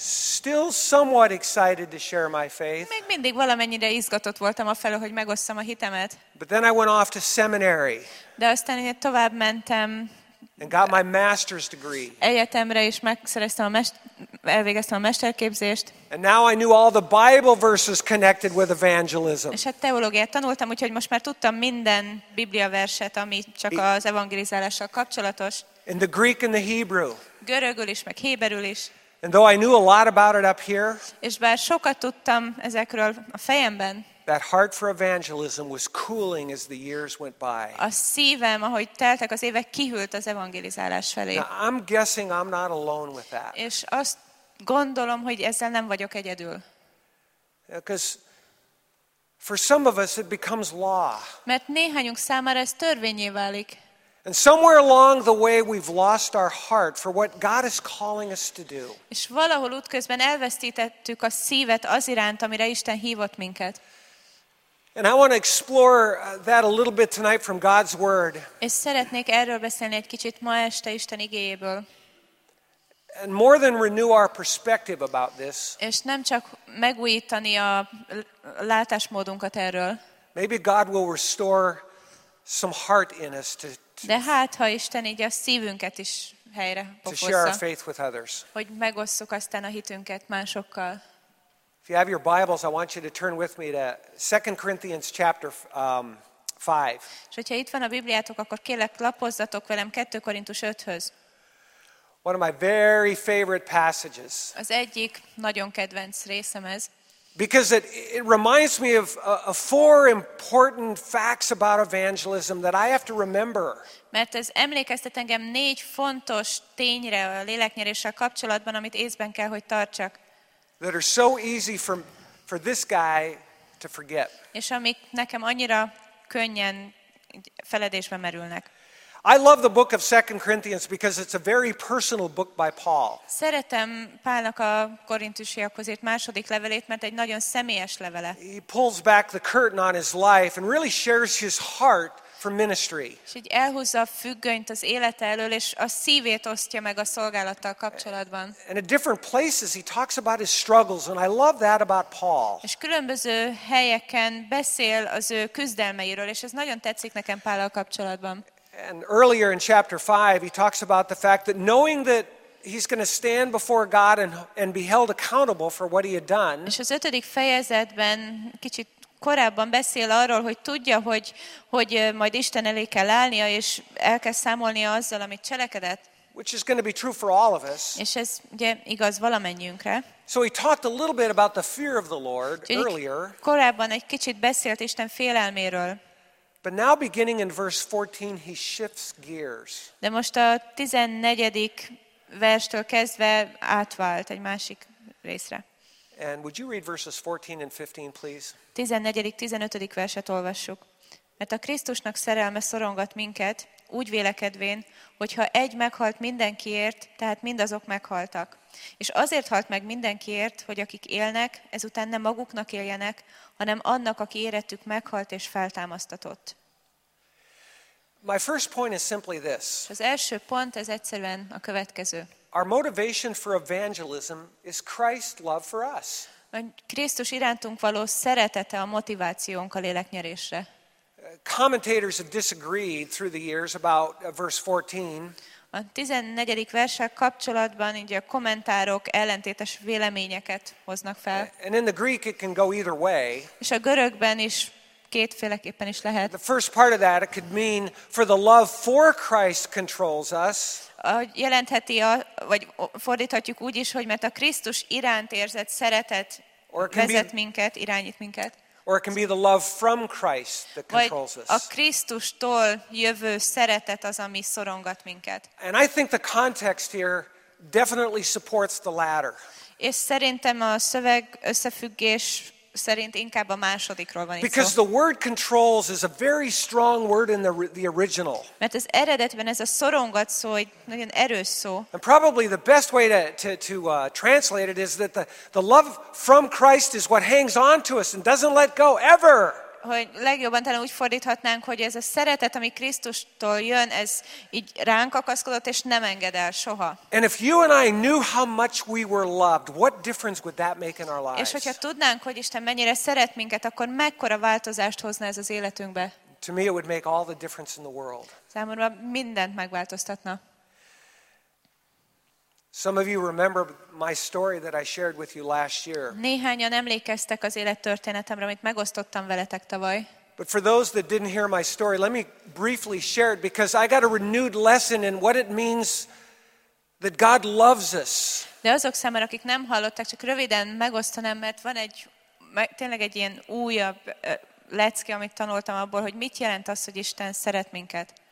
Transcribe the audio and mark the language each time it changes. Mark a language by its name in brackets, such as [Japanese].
[English] Still somewhat excited to share my faith. [Hungarian] Még mindig valamennyire izgatott voltam afelől, hogy megosszam a hitemet. [English] But then I went off to seminary. [Hungarian] De aztán én tovább mentem. [English] And got my master's degree. [Hungarian] Egyetemre is megszereztem elvégeztem a mesterképzést. [English] And now I knew all the Bible verses connected with evangelism. [Hungarian] És a teológiát tanultam, úgyhogy most már tudtam minden Biblia verset, ami csak az evangelizálással kapcsolatos. [English] In the Greek and the Hebrew. [Hungarian] Görögül is, meg héberül is. [English] And though I knew a lot about it up here. [Hungarian] És bár sokat tudtam ezekről a fejemben. [English] That heart for evangelism was cooling as the years went by. [Hungarian] A szívem, ahogy teltek az évek, kihűlt az evangelizálás felé. [English] Now, I'm guessing I'm not alone with that. [Hungarian] És azt gondolom, hogy ezzel nem vagyok egyedül. [English] Because for some of us it becomes law. [Hungarian] Mert néhányunk számára ez törvényé válik. [English] And somewhere along the way we've lost our heart for what God is calling us to do. [Hungarian] És valahol útközben elvesztítettük a szívet az iránt, amire Isten hívott minket. [English] And I want to explore that a little bit tonight from God's word. [Hungarian] És szeretnék erről beszélni egy kicsit ma este Isten igéjéből. [English] And more than renew our perspective about this. [Hungarian] És nem csak megújítani a látásmódunkat erről. [English] Maybe God will restore some heart in us to. [Hungarian] De hát ha Isten így a szívünket is helyre pofozza. [English] To share our faith with others. [Hungarian] Hogy megosszuk aztán a hitünket másokkal. [English] If you have your Bibles, I want you to turn with me to 2 Corinthians chapter 5. [Hungarian] És hogyha itt van a Bibliátok, akkor kérlek lapozzatok velem 2 Korintus 5-höz. [English] One of my very favorite passages. [Hungarian] Az egyik nagyon kedvenc részem ez. [English] Because it reminds me of four important facts about evangelism that I have to remember. [Hungarian] Mert ez emlékeztet engem négy fontos tényre a léleknyeréssel kapcsolatban, amit észben kell, hogy tartsak. [English] That are so easy for this guy to forget. [Hungarian] És amik nekem annyira könnyen feledésbe merülnek. [English] I love the book of 2 Corinthians because it's a very personal book by Paul. [Hungarian] Szeretem Pálnak a korintusiakhoz írt második levelét, mert egy nagyon személyes levele. [English] He pulls back the curtain on his life and really shares his heart for ministry. [Hungarian] És így elhúzza a függönyt az élete elől, és a szívét osztja meg a szolgálattal kapcsolatban. [English] And in different places he talks about his struggles, and I love that about Paul. [Hungarian] És különböző helyeken beszél az ő küzdelmeiről, és ez nagyon tetszik nekem Pállal kapcsolatban. [English] And earlier in chapter 5 he talks about the fact that knowing that he's going to stand before God and be held accountable for what he had done. [Hungarian] És az ötödik fejezetben kicsit korábban beszél arról, hogy tudja, hogy majd Isten elé kell állnia, és el kell számolnia azzal, amit cselekedett. [English] Which is going to be true for all of us. [Hungarian] És ez ugye igaz valamennyünkre. [English] So he talked a little bit about the fear of the Lord earlier. [Hungarian] Korábban egy kicsit beszélt Isten félelméről. [English] But now beginning in verse 14, he shifts gears. [Hungarian] De most a 14. verstől kezdve átvált egy másik részre. [English] And would you read verses 14 and 15, please? [Hungarian] 14. 15. verset olvassuk. Mert a Krisztusnak szerelme szorongat minket, úgy vélekedvén, hogyha egy meghalt mindenkiért, tehát mindazok meghaltak. És azért halt meg mindenkiért, hogy akik élnek, ezután nem maguknak éljenek, hanem annak, aki érettük meghalt és feltámasztatott. [English] My first point is simply this. [Hungarian] Az első pont ez egyszerűen a következő. [English] Our motivation for evangelism is Christ's love for us. [Hungarian] A Krisztus irántunk való szeretete a motivációnk a léleknyerésre. [English] Commentators have disagreed through the years about verse 14. [Hungarian] A 14. verssel kapcsolatban így a kommentárok ellentétes véleményeket hoznak fel. [English] And in the Greek it can go either way. [Hungarian] És a görögben is kétféleképpen is lehet. [English] The first part of that it could mean for the love for Christ controls us. [Hungarian] Jelentheti a, vagy fordíthatjuk úgy is, hogy mert a Krisztus iránt érzett szeretet vezet minket, irányít minket. [English] Or it can be the love from Christ that controls us. [Hungarian] A Krisztustól jövő szeretet az, ami szorongat minket. [English] And I think the context here definitely supports the latter. [Hungarian] És szerintem a szöveg összefüggés szerint inkább a másodikról van itt. [English] Because the word controls is a very strong word in the original. [Hungarian] Mert az eredetben ez a szorongat szó egy nagyon erős szó. [English] And probably the best way to translate it is that the love from Christ is what hangs on to us and doesn't let go ever. [Hungarian] Hogy legjobban talán úgy fordíthatnánk, hogy ez a szeretet, ami Krisztustól jön, ez így ránk akaszkodott és nem enged el soha. [English] And if you and I knew how much we were loved, what difference would that make in our lives? [Hungarian] És hogyha tudnánk, hogy Isten mennyire szeret minket, akkor mekkora változást hozna ez az életünkbe? [English] To me it would make all the difference in the world. [Hungarian] Számomra mindent megváltoztatna. [English] Some of you remember my story that I shared with you last year. [Hungarian] Néhányan emlékeztek az élettörténetemre, amit megosztottam veletek tavaly. [English] But for those that didn't hear my story, let me briefly share it because I got a renewed lesson in what it means that God loves us. [Hungarian] De azok számára, akik nem hallották, csak röviden megosztanám, mert van egy tényleg egy ilyen újabb lecke, amit tanultam abból, hogy mit jelent az, hogy Isten szeret minket.